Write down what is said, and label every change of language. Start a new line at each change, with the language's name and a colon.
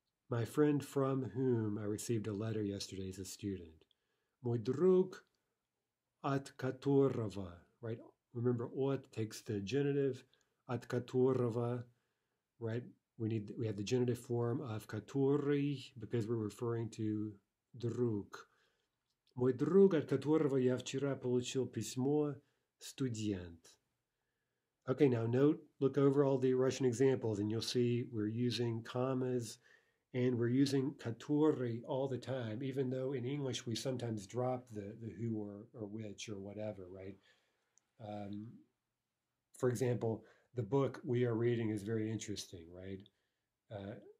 English: My friend from whom I received a letter yesterday is a student.
Russian: Мой друг, от которого, right?
English: Remember, от takes the genitive,
Russian: от которого,
English: right? We have the genitive form of который because we're referring to друг.
Russian: Мой друг, от которого я вчера получил письмо, студент.
English: Okay, now look over all the Russian examples, and you'll see we're using commas and we're using который all the time, even though in English we sometimes drop the who or which or whatever, right? For example, the book we are reading is very interesting, right?